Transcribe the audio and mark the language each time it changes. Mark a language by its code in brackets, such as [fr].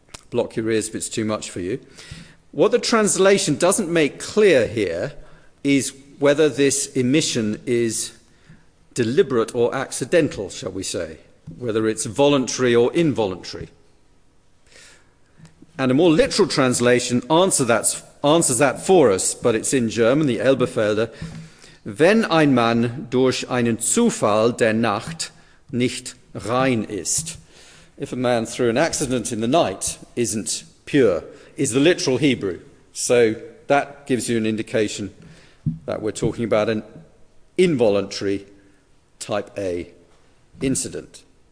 [en] Block your ears if it's too much for you. What the translation doesn't make clear here is whether this emission is deliberate or accidental, shall we say, whether it's voluntary or involuntary. And a more literal translation answers that for us, but it's in German, the Elberfelder. [de] Wenn ein Mann durch einen Zufall der Nacht nicht rein ist. [en] If a man through an accident in the night isn't pure, is the literal Hebrew. So that gives you an indication that we're talking about an involuntary type A incident.